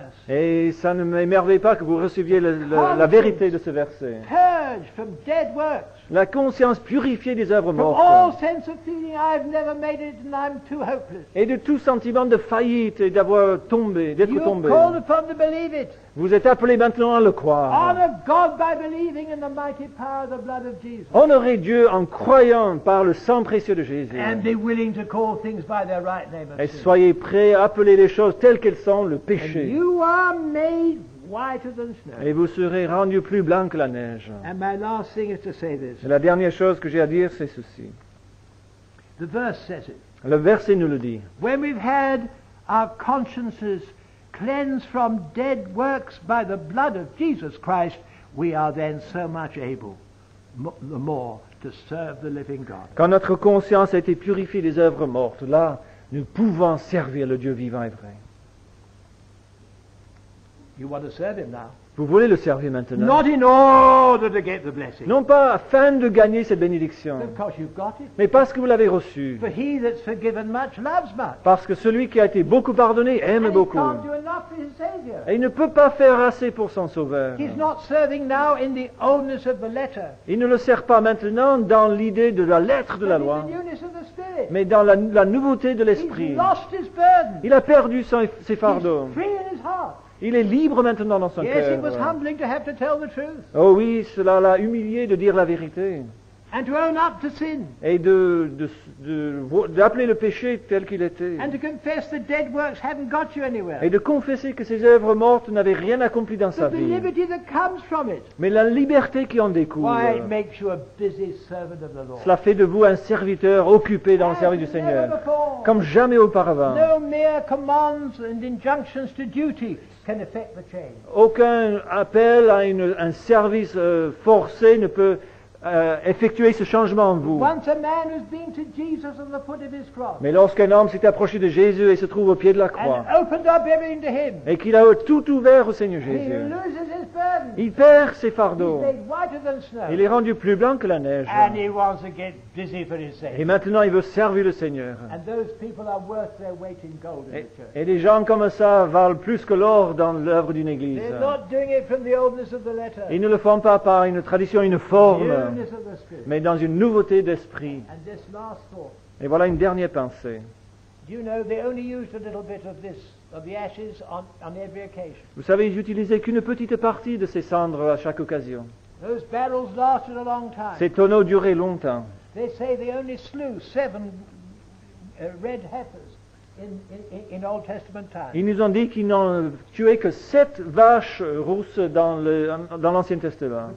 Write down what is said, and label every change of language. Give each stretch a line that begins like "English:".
French: Et ça ne m'émerveille pas que vous receviez la vérité de ce verset.
English: Purge from dead works.
French: La conscience purifiée des œuvres mortes.
English: From all sense of feeling, I've never made it and I'm too hopeless.
French: Et de tout sentiment de faillite et d'avoir tombé, d'être
English: You're
French: tombé.
English: Called upon to believe it.
French: Vous êtes appelé maintenant à le croire.
English: Honor God by believing in the mighty power of the blood of Jesus.
French: Honorez Dieu en croyant par le sang précieux de Jésus.
English: And be willing to call things by their right name.
French: Et soyez prêts à appeler les choses telles qu'elles sont, le péché.
English: And you are made whiter than snow.
French: Et vous serez rendu plus blanc que la neige.
English: And my last thing is to say this.
French: Et la dernière chose que j'ai à dire, c'est ceci.
English: The verse says it.
French: Le verset nous le dit.
English: When we've had our consciences cleansed from dead works by the blood of Jesus Christ, we are then so much able the more to serve the living God.
French: Quand notre conscience a été purifiée des œuvres mortes, là, nous pouvons servir le Dieu vivant et vrai.
English: You want to serve him now.
French: Vous voulez le servir maintenant.
English: Not in order to get the blessing.
French: Non pas afin de gagner cette bénédiction.
English: But because you've got it.
French: Mais parce que vous l'avez reçu.
English: For he that's forgiven much loves much.
French: Parce que celui qui a été beaucoup pardonné aime
English: and
French: beaucoup.
English: He can't do enough for his savior.
French: Et il ne peut pas faire assez pour son sauveur.
English: He's not serving now in the oldness of the letter.
French: Il ne le sert pas maintenant dans l'idée de la lettre
English: but
French: de la loi.
English: In the newness of the spirit.
French: mais dans la nouveauté de l'esprit.
English: He's lost his burden.
French: Il a perdu ses fardeaux.
English: He's free in his heart.
French: Il est libre maintenant dans son cœur.
English: Yes, it was humbling to have to tell the truth.
French: Oh oui, cela l'a humilié de dire la vérité.
English: And to own up to sin.
French: Et d'appeler le péché tel qu'il était.
English: And to confess that dead works haven't got you anywhere.
French: Et de confesser que ses œuvres mortes n'avaient rien accompli dans
English: but
French: sa vie.
English: The liberty that comes from it.
French: Mais la liberté qui en découle.
English: Why it makes you a busy servant of the Lord.
French: Cela fait de vous un serviteur occupé dans
English: as
French: le service du Seigneur.
English: Never before.
French: Comme jamais auparavant.
English: No mere commands and injunctions to duty. Can affect the change.
French: Aucun appel à un service forcé ne peut effectuer ce changement en vous.
English: Once a man has been to Jesus on the foot of his cross.
French: Mais lorsqu'un homme s'est approché de Jésus et se trouve au pied de la croix,
English: and opened up everything to him,
French: et qu'il a tout ouvert au Seigneur Jésus,
English: he loses his burden.
French: Il perd ses fardeaux.
English: He's made whiter than snow.
French: Il est rendu plus blanc que la neige.
English: And he wants to get busy for his sake.
French: Et maintenant, il veut servir le Seigneur.
English: And those people are worth their weight in gold in the church.
French: Et les gens comme ça valent plus que l'or dans l'œuvre d'une église.
English: They're not doing it from the oldness of the letter.
French: Ils ne le font pas par une tradition, une forme.
English: You
French: mais dans une nouveauté d'esprit.
English: And this last thought,
French: et voilà une dernière pensée.
English: You know, they only used a little bit of this, of the ashes on every occasion.
French: Vous savez, ils n'utilisaient qu'une petite partie de ces cendres à chaque occasion.
English: Those barrels lasted a long time.
French: Ces tonneaux duraient longtemps.
English: They say they only slew 7 red heifers in Old Testament times.
French: Ils nous ont dit qu'ils n'ont tué que 7 vaches rousses dans l'Ancien Testament.